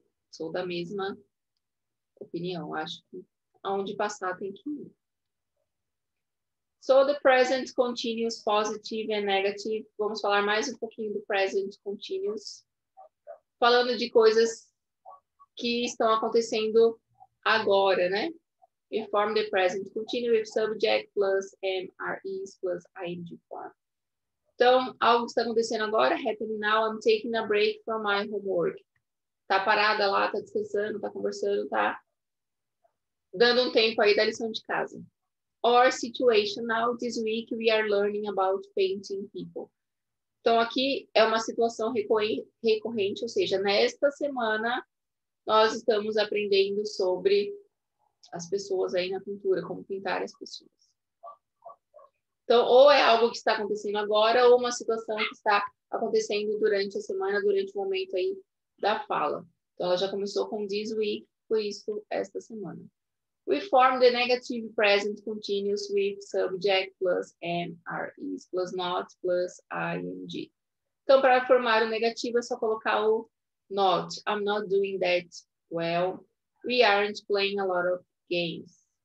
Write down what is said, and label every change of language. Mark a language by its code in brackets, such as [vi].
[pt] Sou da mesma opinião. Acho que aonde passar tem que ir. [en] So, the present continuous, positive and negative. [pt] Vamos falar mais um pouquinho do present continuous. Falando de coisas que estão acontecendo agora, né? [en] Inform the present continuous with subject plus MREs plus ing form. [pt] Então, algo está acontecendo agora. [en] Happening now, I'm taking a break from my homework. [pt] Tá parada lá, tá descansando, tá conversando, tá dando um tempo aí da lição de casa. [en] Our situation now, this week, we are learning about painting people. [pt] Então, aqui é uma situação recorrente, ou seja, nesta semana, nós estamos aprendendo sobre as pessoas aí na pintura, como pintar as pessoas. Então, ou é algo que está acontecendo agora, ou uma situação que está acontecendo durante a semana, durante o momento aí da fala. Então, ela já começou com [en] this week, [pt] por isso, esta semana. [en] We form the negative present continuous with subject plus MREs plus not plus ing. [pt] Então, para formar o negativo, é só colocar o not. [en] I'm not doing that well. We aren't playing a lot of games.